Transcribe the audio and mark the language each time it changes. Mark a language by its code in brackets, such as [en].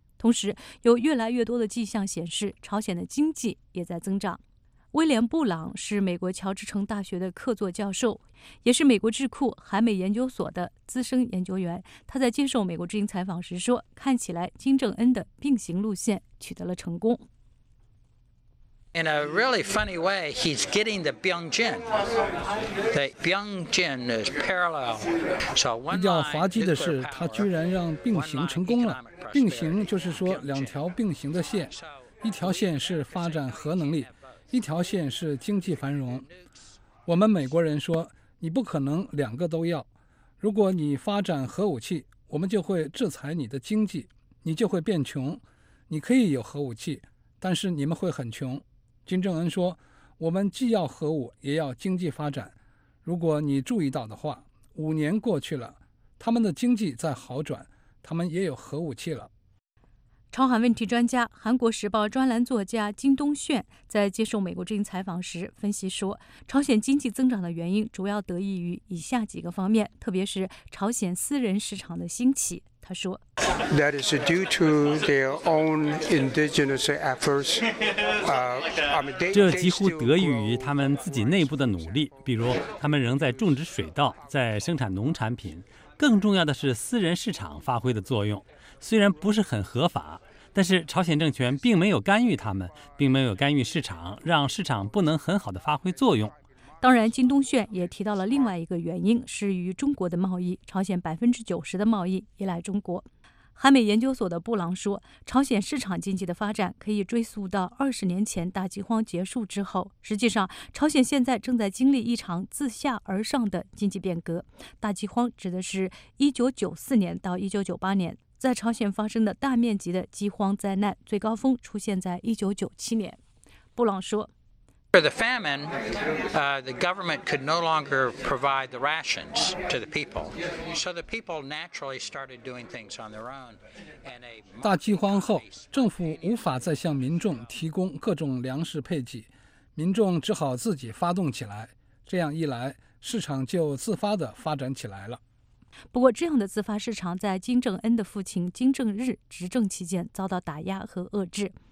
[zh] 同时，有越来越多的迹象显示，朝鲜的经济也在增长。威廉·布朗是美国乔治城大学的客座教授，也是美国智库韩美研究所的资深研究员。他在接受美国之音采访时说，看起来金正恩的并行路线取得了成功。 [en] In a really funny way, he's getting the Byung-jin. The Byung-jin is parallel. [zh] 比较滑稽的是，他居然让并行成功了。并行就是说两条并行的线，一条线是发展核能力，一条线是经济繁荣。我们美国人说，你不可能两个都要。如果你发展核武器，我们就会制裁你的经济，你就会变穷。你可以有核武器，但是你们会很穷。金正恩说，我们既要核武，也要经济发展。如果你注意到的话，5年过去了，他们的经济在好转，他们也有核武器了。朝韩问题专家、韩国时报专栏作家金东炫在接受美国之音采访时分析说，朝鲜经济增长的原因主要得益于以下几个方面，特别是朝鲜私人市场的兴起。他说 [en] ，That is due to their own indigenous efforts. [zh] 这几乎得益于他们自己内部的努力，比如他们仍在种植水稻，在生产农产品。更重要的是，私人市场发挥的作用。虽然不是很合法，但是朝鲜政权并没有干预他们，并没有干预市场，让市场不能很好的发挥作用。当然，金东炫也提到了另外一个原因，是与中国的贸易，朝鲜90%的贸易依赖中国。韩美研究所的布朗说，朝鲜市场经济的发展可以追溯到20年前大饥荒结束之后。实际上，朝鲜现在正在经历一场自下而上的经济变革。大饥荒指的是1994年到1998年。在朝鲜发生的大面积的饥荒灾难最高峰出现在1997年。布朗说 [en] ，For the famine, the government could no longer provide the rations to the people, so the people naturally started doing things on their own. [zh] 大饥荒后，政府无法再向民众提供各种粮食配给，民众只好自己发动起来。这样一来，市场就自发地发展起来了。不过，这样的自发市场在金正恩的父亲金正日执政期间遭到打压和遏制。